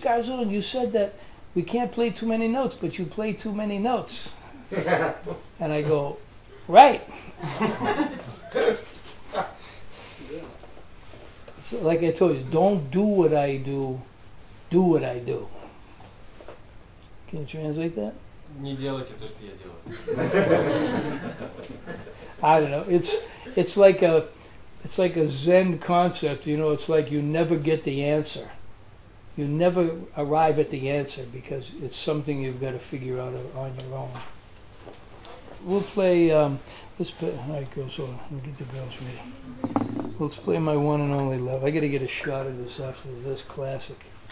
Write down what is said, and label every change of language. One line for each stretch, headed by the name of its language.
English: Garzone, you said that we can't play too many notes, but you play too many notes. And I go, right. So, like I told you, don't do what I do, do what I do. Can you translate that?
Russian: Не делайте то, что я делаю.
English: I don't know. It's like a Zen concept, you know. It's like you never get the answer. You never arrive at the answer, because it's something you've got to figure out on your own. We'll play, let's play my one and only love. I got to get a shot of this after this classic.